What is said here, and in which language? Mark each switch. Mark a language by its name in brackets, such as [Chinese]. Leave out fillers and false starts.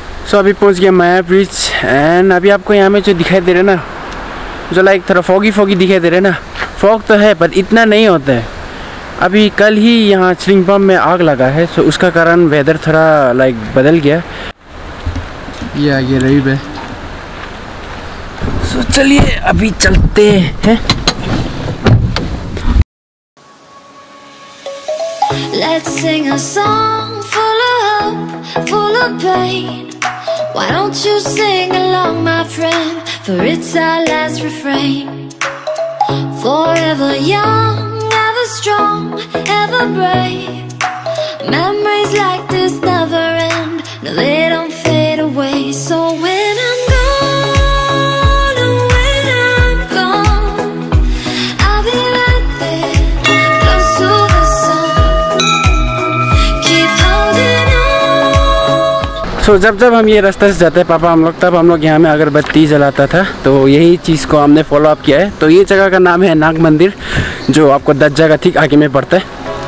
[Hindi] तो अभी पहुंच गया माया ब्रिज एंड अभी आपको यहाँ में जो दिखाई दे रहा है ना, जो लाइक थोड़ा फॉगी फॉगी दिखाई दे रहा है ना, फॉग तो है बट इतना नहीं होता है। अभी कल ही यहाँ चिलिंग पम्प में आग लगा है, सो उसका कारण वेदर थोड़ा लाइक बदल गया। ये आ गया रवि भाई, सो चलिए अभी चलते हैं। [English] Let's sing a song full of hope, full of pain. Why don't you sing along, my friend, for it's our last refrain. Forever young, ever strong, ever brave. Memories like this never end, no, they don't fade away. So when I'm gone, and when I'm gone, I'll be right there, close to the sun. Keep holding on. [Hindi] So, जब हम ये रास्ता से जाते हैं पापा हम लोग, तब हम लोग यहाँ में अगरबत्ती जलाता था, तो यही चीज़ को हमने फॉलो अप किया है। तो ये जगह का नाम है नाग मंदिर, जो आपको दस जगह ठीक आगे में पड़ता है।